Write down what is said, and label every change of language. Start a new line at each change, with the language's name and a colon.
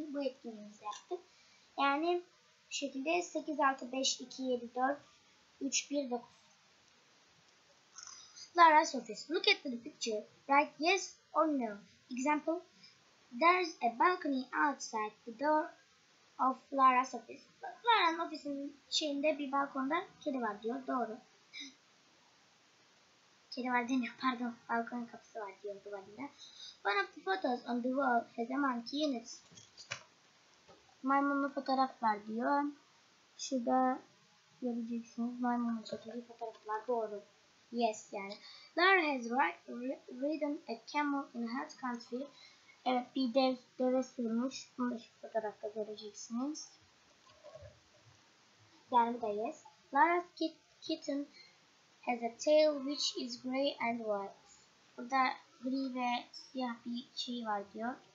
Turkish: Bu etkinliğimizi yaptık. Yani bu şekilde 8, 6, 5, 2, 7, 4, 3, 1, 9.
English: Lara's office. Look at the picture. Write yes or no. Example. There's a balcony outside the door of Lara's office.
Turkish: Lara'nın ofisinin şeyinde bir balkonda kedi var diyor. Doğru. Kedi var deniyor. Pardon. Balkon kapısı var diyor duvarında.
English: One of the photos on the wall has a monkey in it.
Turkish: Maymunlu fotoğraf var diyor. Şurada göreceksiniz. Maymunlu çekildiği fotoğraf var. Doğru.
English: Yes yani. Lara has ridden a camel in her country.
Turkish: Evet, bir deve sürmüş. Bunu da şu fotoğrafta göreceksiniz. Yani bu da yes.
English: Lara's kitten has a tail which is grey and white.
Turkish: Burada gri ve siyah bir şey var diyor.